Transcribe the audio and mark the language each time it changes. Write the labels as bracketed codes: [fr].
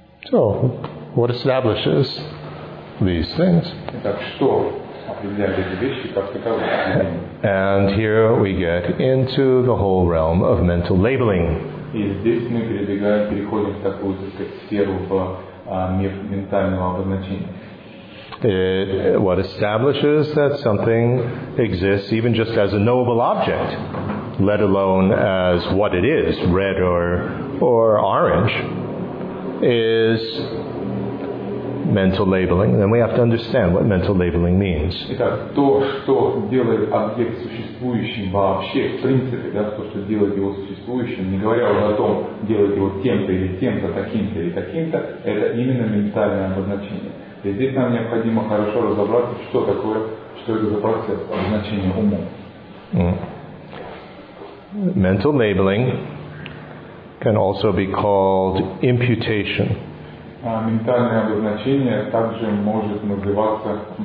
[en] So, what establishes these things? [ru] Итак, что определяет эти вещи как таковые? [en] And here we get into the whole realm of mental labeling. [ru] И здесь мы переходим в такую, так сказать, сферу в мир ментального обозначения. [en] What establishes that something exists even just as a knowable object, let alone as what it is, red or orange, is mental labeling. Then we have to understand what mental labeling means. [ru] Итак, то, что делает объект существующим вообще, в принципе, да, то, что делает его существующим, не говоря уже о том, делает его тем-то или тем-то, таким-то или таким-то, это именно ментальное обозначение. И здесь нам необходимо хорошо разобраться, что такое, что это за процесс обозначения умом. [en] Mental labeling can also be called imputation. [ru] Ментальное обозначение также может называться